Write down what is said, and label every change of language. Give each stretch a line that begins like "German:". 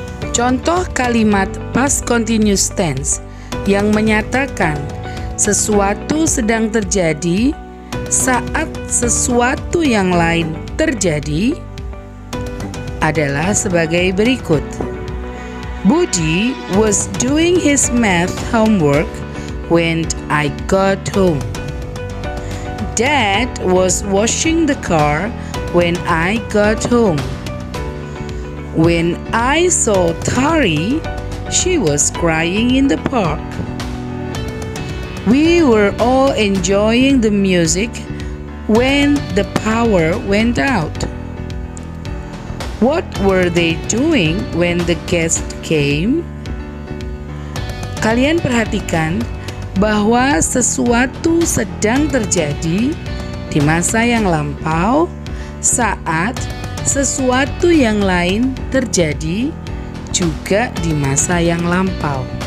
Indonesian: Contoh kalimat past continuous tense yang menyatakan sesuatu sedang terjadi saat sesuatu yang lain terjadi adalah sebagai berikut.
English: Budi was doing his math homework when I got home. Dad was washing the car when I got home. When I saw Tari, she was crying in the park. We were all enjoying the music when the power went out. What were they doing when the guest came?
Indonesian: Kalian perhatikan bahwa sesuatu sedang terjadi di masa yang lampau saat sesuatu yang lain terjadi juga di masa yang lampau.